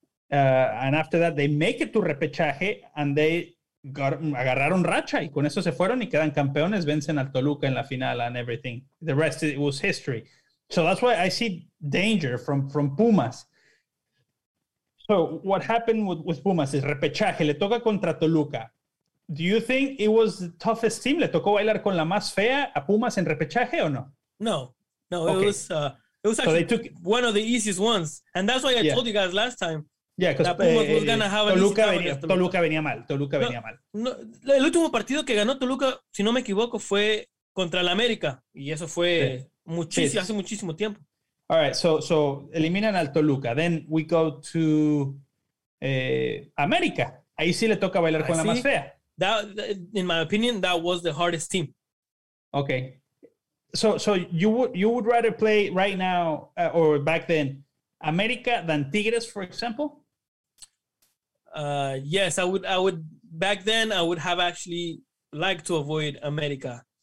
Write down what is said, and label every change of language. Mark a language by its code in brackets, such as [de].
[en] And after that, they make it to repechaje and they [es] agarraron racha. Y con eso se fueron y quedan campeones. Vencen al Toluca en la final [en] and everything. The rest, it was history. So that's why I see danger from Pumas. So what happened with Pumas is repechaje. [es] Le toca contra Toluca. [en] Do you think it was the toughest team? [es] ¿Le tocó bailar con la más fea a Pumas en repechaje o no? [en] No. Okay. It was actually one of the easiest ones. And that's why I told you guys last time. Yeah, because Pumas was going to have Toluca an easy time. [es] Toluca venía mal. No, el último partido que ganó Toluca, si no me equivoco, fue contra el América. Y eso fue hace muchísimo tiempo. [en] All right, so eliminan al Toluca. Then we go to América. [es] Ahí sí le toca bailar con la más fea. [en] That, in my opinion, that was the hardest team. Okay. So you would rather play right now or back then América than Tigres, for example? Yes, I would back then I would have actually liked to avoid América.